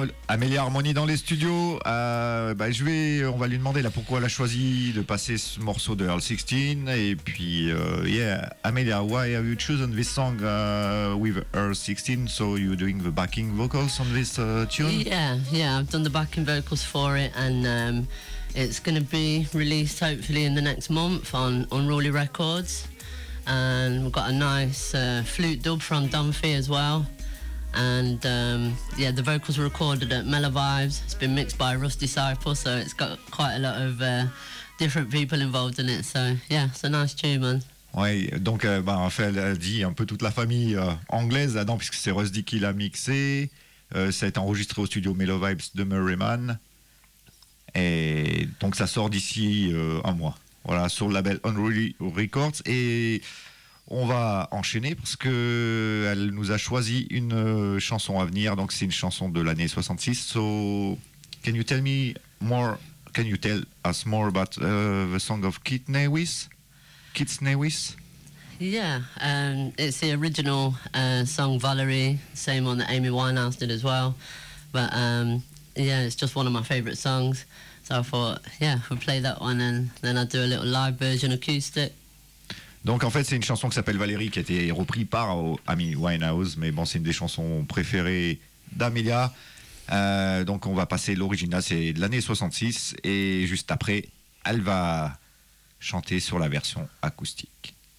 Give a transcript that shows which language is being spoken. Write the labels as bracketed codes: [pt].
[fr] Amelia Harmony dans les studios. On va lui demander là pourquoi elle a choisi de passer ce morceau de Earl 16. Et puis, [en] Amelia, why have you chosen this song with Earl 16? So you're doing the backing vocals on this tune? Yeah, I've done the backing vocals for it, and it's going to be released hopefully in the next month on Unruly Records. And we've got a nice flute dub from Dunphy as well. And the vocals were recorded at Mellow Vibes. It's been mixed by Rusty Cypher, so it's got quite a lot of different people involved in it. So yeah, it's a nice tune, man. [fr] Oui, donc en fait, elle a dit un peu toute la famille anglaise là-dedans, puisque c'est Rusty qui l'a mixé. Ça a été enregistré au studio Mellow Vibes de Murrayman. Et donc ça sort d'ici un mois. Voilà, sur le label Unruly Records. Et on va enchaîner parce que elle nous a choisi une chanson à venir, donc c'est une chanson de l'année 66. [en] So can you tell me more, can you tell us more about the song of Keith Nevis? It's the original song Valerie, same one that Amy Winehouse did as well, but it's just one of my favorite songs, so I thought we'll play that one, and then I'll do a little live version acoustic. [fr] Donc en fait, c'est une chanson qui s'appelle Valérie qui a été reprise par Amy Winehouse, mais bon, c'est une des chansons préférées d'Amelia. Donc on va passer l'original, c'est de l'année 66, et juste après, elle va chanter sur la version acoustique.